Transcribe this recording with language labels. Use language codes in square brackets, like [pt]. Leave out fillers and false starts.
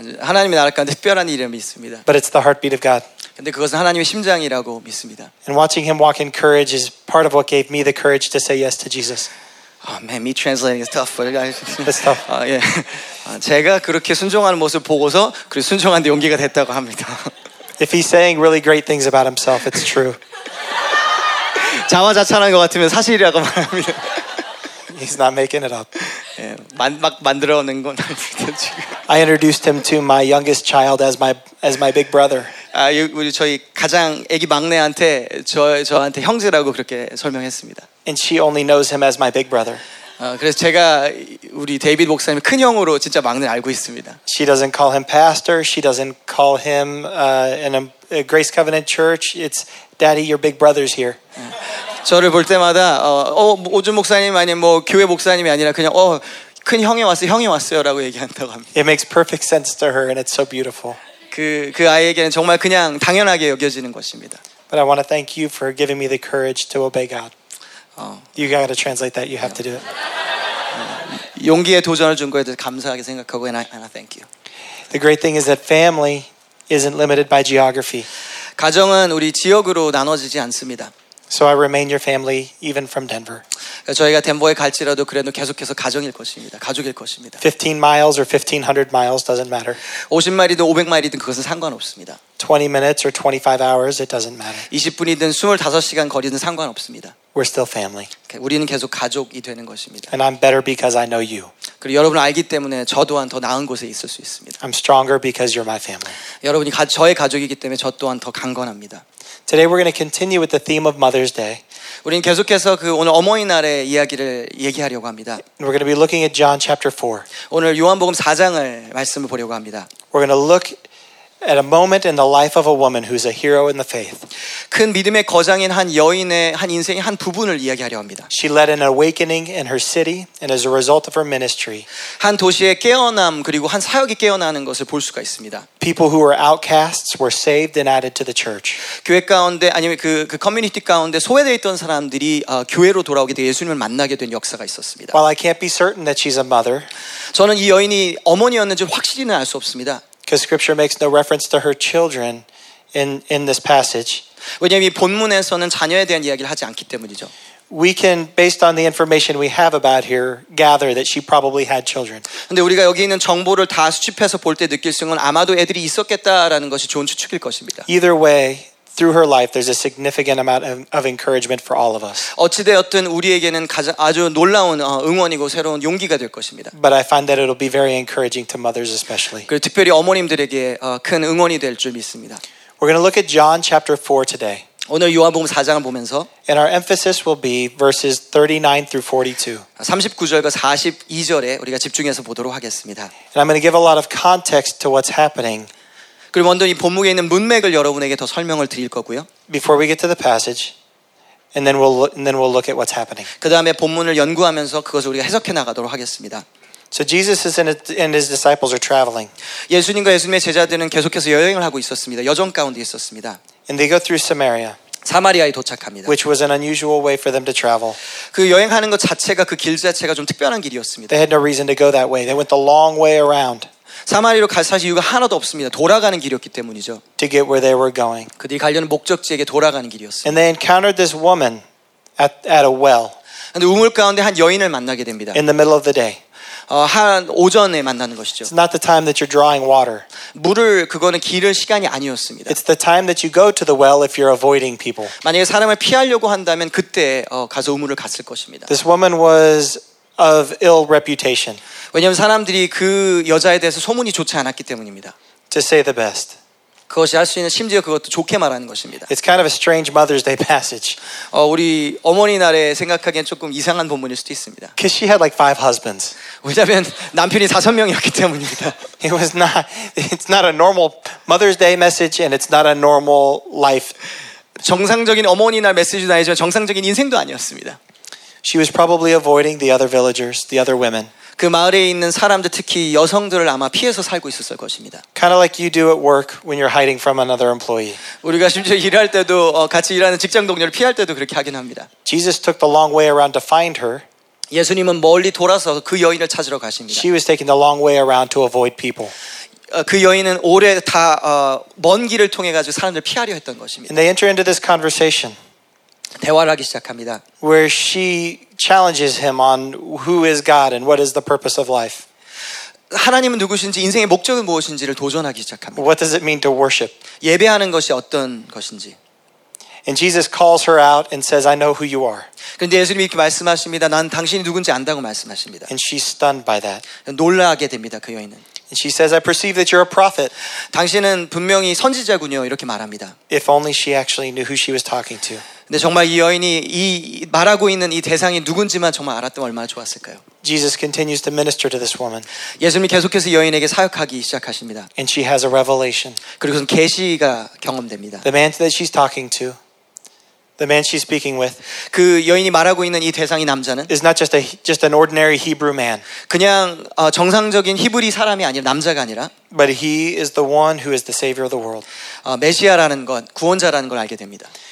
[ko] 하나님의 나라 가운데 특별한 이름이 있습니다. [en] But it's the heartbeat of God. [ko] 근데 그것은 하나님의 심장이라고 믿습니다. [en] And watching him walk in courage is part of what gave me the courage to say yes to Jesus. Oh man, me translating is tough. But it's tough. [ko] 예. 제가 그렇게 순종하는 모습 보고서 그 순종한 데 용기가 됐다고 합니다. [en] If he's saying really great things about himself, it's true. [ko] 자화자찬한 것 같으면 사실이라고 말합니다. [en] He's not making it up. [ko] 막 만들어 놓은 건 지금. [en] I introduced him to my youngest child as my big brother. [ko] 우리 저희 가장 애기 막내한테 저한테 형제라고 그렇게 설명했습니다. [en] And she only knows him as my big brother. [ko] 그래서 제가 우리 데이비드 목사님 큰 형으로 진짜 막내 알고 있습니다. [en] She doesn't call him pastor. She doesn't call him in a Grace Covenant Church. It's Daddy, your big brother's here. [ko] 저를 볼 때마다 오준 목사님 아니면 뭐 교회 목사님이 아니라 그냥 큰 형이 왔어요. 형이 왔어요라고 얘기한다고 합니다. [en] It makes perfect sense to her and it's so beautiful. [ko] 그 아이에게는 정말 그냥 당연하게 여겨지는 것입니다. [en] But I want to thank you for giving me the courage to obey God. You got to translate that. You have to do it. [ko] 용기에 도전을 준 거에 대해서 감사하게 생각하고 [en] and I thank you. The great thing is that family isn't limited by geography. [ko] 가정은 우리 지역으로 나눠지지 않습니다. [en] So I remain your family even from Denver. [ko] 저희가 덴버에 갈지라도 그래도 계속해서 가족일 것입니다. 가족일 것입니다. [en] 15 miles or 1500 miles doesn't matter. [ko] 50마일이든 500마일이든 그것은 상관없습니다. [en] 20 minutes or 25 hours it doesn't matter. [ko] 20분이든 25시간 거리든 상관없습니다. [en] We're still family. [ko] 우리는 계속 가족이 되는 것입니다. [en] And I'm better because I know you. [ko] 그리고 여러분 알기 때문에 저 또한 더 나은 곳에 있을 수 있습니다. [en] I'm stronger because you're my family. [ko] 여러분이 저의 가족이기 때문에 저 또한 더 강건합니다. [en] Today we're going to continue with the theme of Mother's Day. [ko] 우리는 계속해서 그 오늘 어머니날의 이야기를 얘기하려고 합니다. [en] We're going to be looking at John chapter 4. [ko] 오늘 요한복음 4장을 말씀을 보려고 합니다. [en] We're going to look at a moment in the life of a woman who's a hero in the faith. [ko] 큰 믿음의 거장인 한 여인의 한 인생의 한 부분을 이야기하려 합니다. [en] She led an awakening in her city and as a result of her ministry. [ko] 한 도시의 깨어남 그리고 한 사역이 깨어나는 것을 볼 수가 있습니다. [en] People who were outcasts were saved and added to the church. [ko] 교회 가운데 아니면 그 커뮤니티 가운데 소외되어 있던 사람들이 교회로 돌아오게 되어 예수님을 만나게 된 역사가 있었습니다. [en] While I can't be certain that she's a mother. [ko] 저는 이 여인이 어머니였는지 확실히는 알 수 없습니다. [en] Because Scripture makes no reference to her children in this passage. [ko] 왜냐하면 이 본문에서는 자녀에 대한 이야기를 하지 않기 때문이죠. [en] We can, based on the information we have about here, gather that she probably had children. [ko] 근데 우리가 여기 있는 정보를 다 수집해서 볼 때 느낄 수 있는 건 아마도 애들이 있었겠다라는 것이 좋은 추측일 것입니다. [en] Either way, through her life, there's a significant amount of encouragement for all of us. [ko] 어찌되었든 우리에게는 아주 놀라운 응원이고 새로운 용기가 될 것입니다. [en] But I find that it'll be very encouraging to mothers especially. [ko] 그리고 특별히 어머님들에게 큰 응원이 될 줄 믿습니다. [en] We're going to look at John chapter 4 today. [ko] 오늘 요한복음 4장을 보면서 [en] And our emphasis will be verses 39 through 42. [ko] 39절과 42절에 우리가 집중해서 보도록 하겠습니다. [en] And I'm going to give a lot of context to what's happening. [ko] 그리고 먼저 이 본문에 있는 문맥을 여러분에게 더 설명을 드릴 거고요. [en] Before we get to the passage, and then we'll look at what's happening. [ko] 그다음에 본문을 연구하면서 그것을 우리가 해석해 나가도록 하겠습니다. [en] So Jesus and his disciples are traveling. [ko] 예수님과 예수님의 제자들은 계속해서 여행을 하고 있었습니다. 여정 가운데 있었습니다. [en] And they go through Samaria. [ko] 사마리아에 도착합니다. [en] Which was an unusual way for them to travel. [ko] 그 여행하는 것 자체가 그 길 자체가 좀 특별한 길이었습니다. [en] They had no reason to go that way. They went the long way around. [ko] 사마리로 갈 사실 이유가 하나도 없습니다. 돌아가는 길이었기 때문이죠. [en] To get where they were going. [ko] 그들이 가려는 목적지에게 돌아가는 길이었어요. [en] And they encountered this woman at a well. [ko] 근데 우물 가운데 한 여인을 만나게 됩니다. [en] In the middle of the day. [ko] 한 오전에 만나는 것이죠. [en] It's not the time that you're drawing water. [ko] 물을 그거는 기를 시간이 아니었습니다. [en] It's the time that you go to the well if you're avoiding people. [ko] 만약에 사람을 피하려고 한다면 그때 가서 우물을 갔을 것입니다. [en] This woman was of ill reputation. [ko] 왜냐하면 사람들이 그 여자에 대해서 소문이 좋지 않았기 때문입니다. [en] To say the best. [ko] 그것이 할 수 있는 심지어 그것도 좋게 말하는 것입니다. [en] It's kind of a strange Mother's Day passage. [ko] 우리 어머니 날에 생각하기엔 조금 이상한 본문일 수도 있습니다. [en] Because she had like five husbands. [ko] 왜냐하면 남편이 다섯 명이었기 때문입니다. [en] It's not a normal Mother's Day message, and it's not a normal life. [ko] 정상적인 어머니 날 메시지도 아니지만 정상적인 인생도 아니었습니다. [en] She was probably avoiding the other villagers, the other women. [ko] 그 마을에 있는 사람들 특히 여성들을 아마 피해서 살고 있었을 것입니다. [en] Kind of like you do at work when you're hiding from another employee. [ko] 우리가 심지어 일할 때도 같이 일하는 직장 동료를 피할 때도 그렇게 하긴 합니다. [en] Jesus took the long way around to find her. [ko] 예수님은 멀리 돌아서 그 여인을 찾으러 가십니다. [en] She was taking the long way around to avoid people. [ko] 그 여인은 오래 다 먼 길을 통해 가지고 사람들 피하려 했던 것입니다. [en] And they enter into this conversation. [ko] 대화를 하기 시작합니다. [en] Where she challenges him on who is God and what is the purpose of life. [ko] 하나님은 누구신지 인생의 목적은 무엇인지를 도전하기 시작합니다. [en] What does it mean to worship? [ko] 예배하는 것이 어떤 것인지. [en] And Jesus calls her out and says, "I know who you are." [ko] 그런데 예수님이 이렇게 말씀하십니다. 난 당신이 누군지 안다고 말씀하십니다. [en] And she's stunned by that. [ko] 놀라게 됩니다. 그 여인은. [en] And she says, "I perceive that you're a prophet." [ko] 당신은 분명히 선지자군요. 이렇게 말합니다. [en] If only she actually knew who she was talking to. [ko] 근데 정말 이 여인이 이 말하고 있는 이 대상이 누군지만 정말 알았다면 얼마나 좋았을까요? [en] Jesus continues to minister to this woman. [ko] 예수님이 계속해서 여인에게 사역하기 시작하십니다. [en] And she has a revelation. [ko] 그리고 계시가 경험됩니다. [en] The man that she's talking to, the man she's speaking with, [ko] 그 여인이 말하고 있는 이 대상이 남자는 [en] is not just an ordinary Hebrew man. [ko] 그냥 정상적인 히브리 사람이 아니라 남자가 아니라 [en] but he is the one who is the savior of the world. [ko] 메시아라는 것, 구원자라는 걸 알게 됩니다.